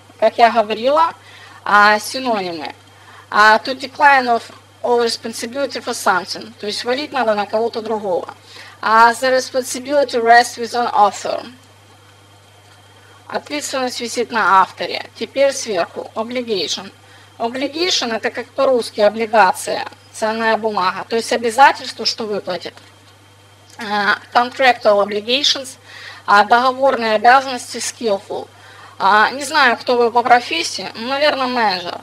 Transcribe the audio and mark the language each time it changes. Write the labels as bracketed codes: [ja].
[ru] Как я говорила, синонимы. [en] To decline of all responsibility for something. [ru] То есть валить надо на кого-то другого. [en] The responsibility rests with an author. [ru] Ответственность висит на авторе. Теперь сверху. Obligation. Obligation – это как по-русски облигация, ценная бумага. То есть обязательство, что выплатит. [en] Contractual obligations. [ru] Договорные обязанности skillful. Не знаю, кто вы по профессии, но, наверное, менеджер.